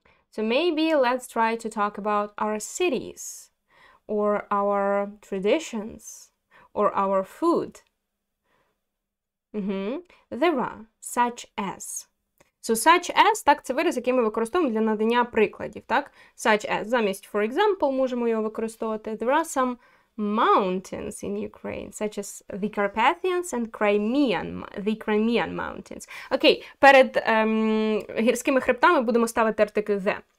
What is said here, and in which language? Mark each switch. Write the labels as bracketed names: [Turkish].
[English] So maybe let's try to talk about our cities, or our traditions, or our food. There are such as. So such as, [Ukrainian] так, це вираз, який ми використовуємо для надання прикладів, так? [English] Such as, [Ukrainian] замість [English] for example, [Ukrainian] можемо його використовувати. [English] There are some mountains in Ukraine, such as the Carpathians and the Crimean mountains. [Ukrainian] Окей, перед гірськими хребтами будемо ставити артикль the.